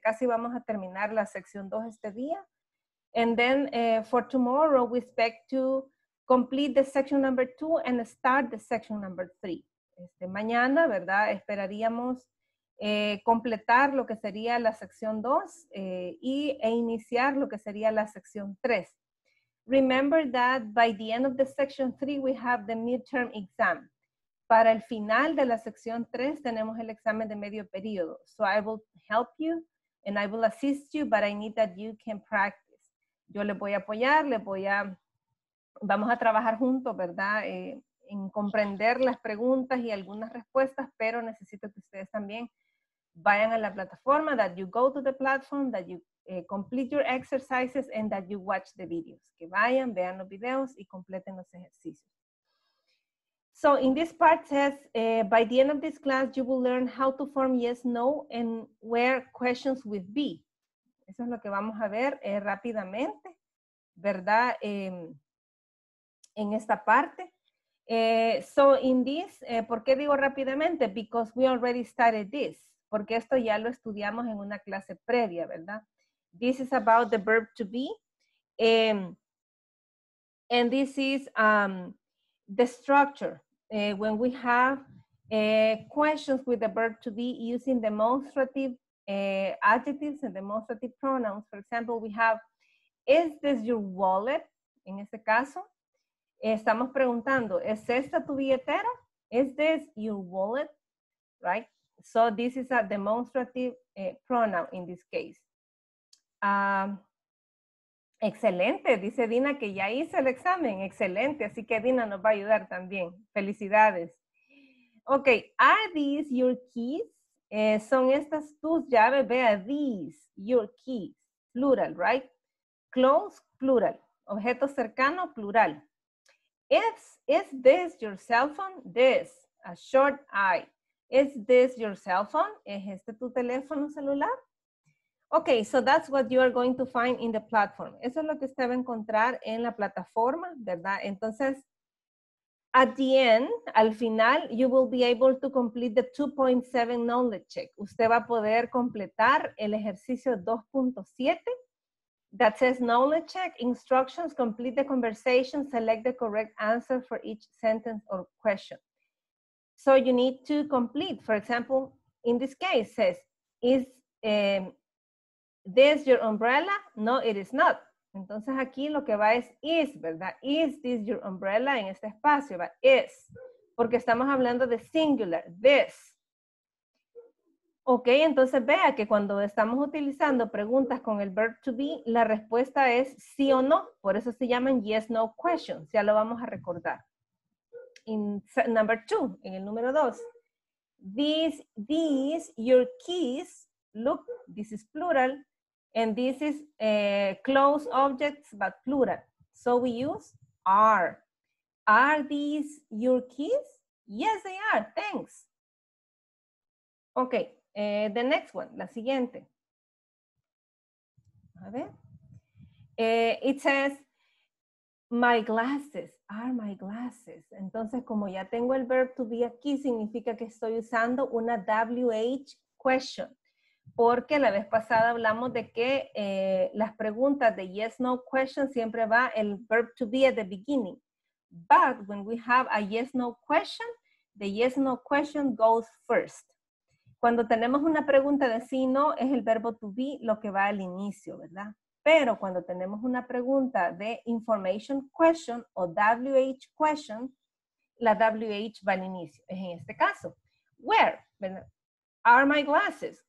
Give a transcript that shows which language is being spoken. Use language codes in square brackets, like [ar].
[es] Casi vamos a terminar la sección 2 este día. [en] And then for tomorrow, we expect to complete the section number 2 and start the section number 3. [es] Este mañana, ¿verdad? Esperaríamos completar lo que sería la sección 2 e iniciar lo que sería la sección 3. [en] Remember that by the end of the section 3, we have the midterm exam. [es] Para el final de la sección 3, tenemos el examen de medio periodo. [en] So I will help you and I will assist you, but I need that you can practice. [es] Yo les voy a apoyar, vamos a trabajar juntos, ¿verdad? En comprender las preguntas y algunas respuestas, pero necesito que ustedes también vayan a la plataforma, [en] that you go to the platform, that you complete your exercises, and that you watch the videos. [es] Que vayan, vean los videos y completen los ejercicios. [en] So, in this part says, by the end of this class, you will learn how to form yes, no, and where questions with be. [es] Eso es lo que vamos a ver rápidamente, ¿verdad? En esta parte. [en] So in this, [es] ¿por qué digo rápidamente? [en] Because we already started this. [es] Porque esto ya lo estudiamos en una clase previa, ¿verdad? [en] This is about the verb to be. And this is the structure. When we have questions with the verb to be using demonstrative adjectives and demonstrative pronouns. For example, we have, is this your wallet? [es] En este caso, estamos preguntando, ¿es esta tu billetera? [en] Is this your wallet? Right? So this is a demonstrative pronoun in this case. [es] Excelente. Dice Dina que ya hice el examen. Excelente. Así que Dina nos va a ayudar también. Felicidades. [en] Okay. Are these your keys? [es] Son estas tus llaves, vea, [en] these, your keys, [es] plural, [en] right? Close, plural. [es] Objeto cercano, plural. [en] Is this your cell phone? This, a short I. Is this your cell phone? [es] ¿Es este tu teléfono celular? [en] Okay, so that's what you are going to find in the platform. [es] Eso es lo que usted va a encontrar en la plataforma, ¿verdad? [en] Entonces, at the end, [es] al final, [en] you will be able to complete the 2.7 knowledge check. [es] Usted va a poder completar el ejercicio 2.7 [en] that says knowledge check, instructions, complete the conversation, select the correct answer for each sentence or question. So you need to complete, for example, in this case, says, is this your umbrella? No, it is not. [es] Entonces aquí lo que va es is, ¿verdad? [en] Is this your umbrella [es] en este espacio? Va is, porque estamos hablando de singular, this. Ok, entonces vea que cuando estamos utilizando preguntas con el verb to be, la respuesta es sí o no. Por eso se llaman yes, no questions. Ya lo vamos a recordar. [en] In number two, [es] en el número dos. [en] these your keys. Look, this is plural, and this is closed objects, but plural. So we use are. Are these your keys? Yes, they are. Thanks. Okay, the next one, [es] la siguiente. [en] A ver. It says, my glasses are my glasses. [es] Entonces, como ya tengo el verb to be aquí, significa que estoy usando una WH question. Porque la vez pasada hablamos de que las preguntas de yes, no question siempre va el verb to be [en] at the beginning. But when we have a yes, no question, the yes, no question goes first. [es] Cuando tenemos una pregunta de sí, no, es el verbo to be lo que va al inicio, ¿verdad? Pero cuando tenemos una pregunta de information question o WH question, la WH va al inicio. Es en este caso, where, ¿verdad? [en] Are my glasses?